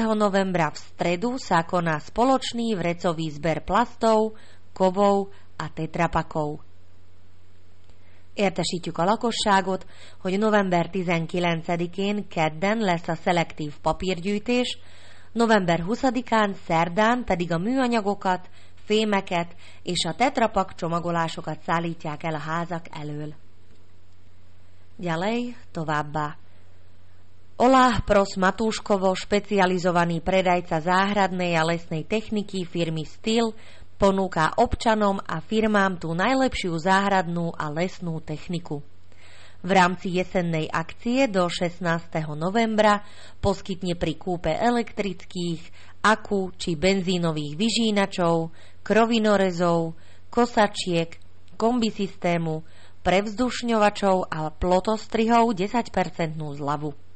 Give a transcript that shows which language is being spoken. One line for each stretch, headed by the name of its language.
Slovak: novembra v stredu sa koná spoločný vrecový zber plastov, kovov a tetrapakov.
Hungarian: Értesítjük a lakosságot, hogy november 19-én kedden lesz a szelektív papírgyűjtés, november 20-án szerdán pedig a műanyagokat, fémeket és a tetrapak csomagolásokat szállítják el a házak elől.
Slovak: Ďalej,
Hungarian: továbbá.
Slovak: Oláh Prosz Matúškovo, specializovaný predajca záhradnej a lesnej techniky firmy Stihl, ponúka občanom a firmám tú najlepšiu záhradnú a lesnú techniku. V rámci jesennej akcie do 16. novembra poskytne pri kúpe elektrických, aku či benzínových vyžínačov, krovinorezov, kosačiek, kombisystému, prevzdušňovačov a plotostrihov 10% zľavu.